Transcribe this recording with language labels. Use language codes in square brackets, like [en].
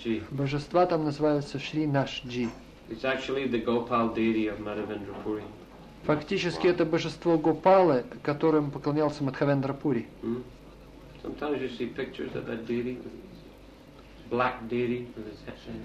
[ru] Божества там называются Шри Нашджи. [en] It's actually the Gopal deity of Madhavendra Puri. [ru] Фактически это божество Гопалы, которым поклонялся Мадхавендра Пури. [en] Sometimes you see pictures of that deity, black deity with its head.